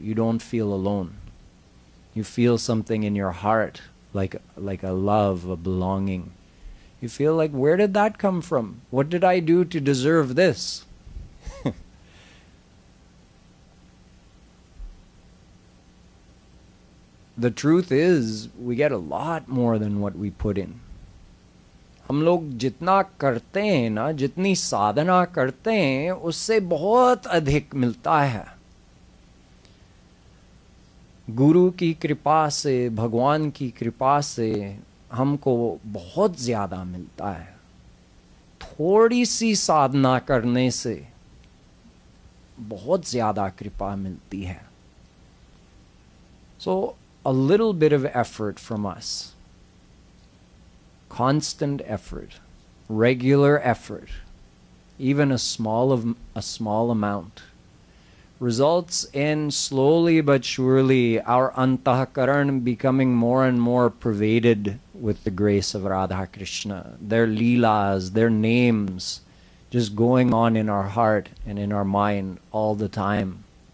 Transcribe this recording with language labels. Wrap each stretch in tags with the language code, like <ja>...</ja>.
<en>You don't feel alone. You feel something in your heart, like a love, a belonging. You feel like, where did that come from? What did I do to deserve this? the truth is, we get a lot more than what we put in.</en> <hi>हम लोग जितना करते हैं ना, जितनी साधना करते हैं, उससे बहुत अधिक मिलता है। गुरु की कृपा से, भगवान की कृपा से, हमको बहुत ज़्यादा मिलता है। थोड़ी सी साधना करने से, बहुत ज़्यादा कृपा मिलती है।</hi> <en>So, a little bit of effort from us. Constant effort, regular effort, even a small amount, results in slowly but surely our antahkaran becoming more and more pervaded with the grace of Radha Krishna, their leelas, their names, just going on in our heart and in our mind all the time.</en>